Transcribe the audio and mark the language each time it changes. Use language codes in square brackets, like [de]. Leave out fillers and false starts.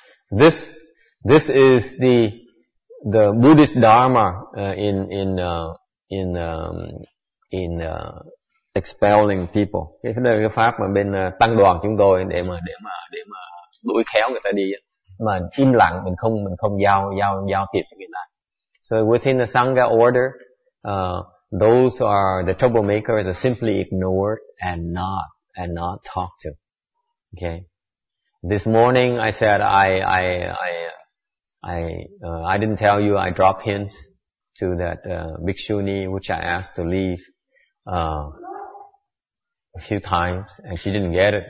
[en] This is the Buddhist Dharma in expelling people. [vi] Cái đây là cái pháp mà bên tăng đoàn chúng tôi để mà đuổi khéo người ta đi. Mà im lặng, mình không giao thiệp với người ta. [en] So within the Sangha order, those who are the troublemakers are simply ignored and not talked to. Okay. This morning I said I didn't tell you, I dropped hints to that Bhikshuni which I asked to leave a few times, and she didn't get it.